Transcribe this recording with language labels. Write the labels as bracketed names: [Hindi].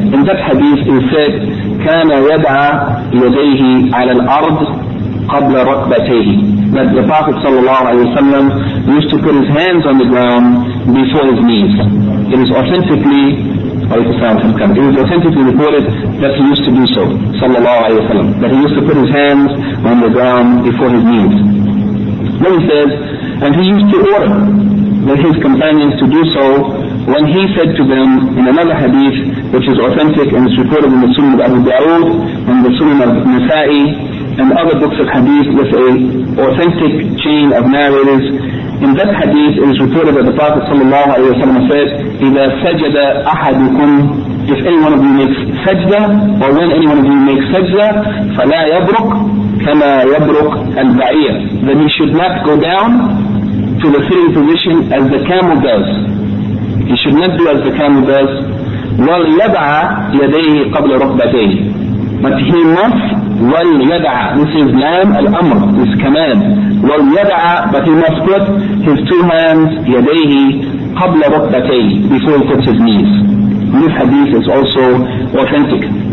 [English] In that hadith, it said, [Arabic] "كان يدعى يديه على الأرض قبل ركبتيه." [English] That the Prophet sallallahu alaihi wasallam used to put his hands on the ground before his knees. It is authentically, it is authentically reported that he used to do so, sallallahu alaihi wasallam, that he used to put his hands on the ground before his knees. Then he says, and he used to order that his companions to do so when he said to them, in another hadith which is authentic and is reported in the Sunan of Abu Dawud and the Sunan of Nasa'i and other books of hadith with an authentic chain of narrators. In that hadith, it is reported that the Prophet sallallahu alaihi wasallam said, [Arabic] "إِذَا سَجَدَ أَحَدُكُمْ," [English] if any one of you makes sajda, or when any one of you makes sajda, [Arabic] "فَلَا يَبْرُكْ كَمَا يَبْرُكْ الْبَعِيرُ," [English] then he should not go down to the sitting position as the camel does. He should not do as the camel does. [Arabic] وَلْيَدْعَ يَدَيْهِ قَبْلَ رُكْبَتَيْهِ, [English] but he must. [Arabic] وَلْيَدْعَ, [English] this is lam al-amr, this command. [Arabic] وَلْيَدْعَ, [English] but he must put his two hands, [Arabic] يَدَيْهِ قَبْلَ رُكْبَتَيْهِ, [English] before he puts his knees. This hadith is also authentic.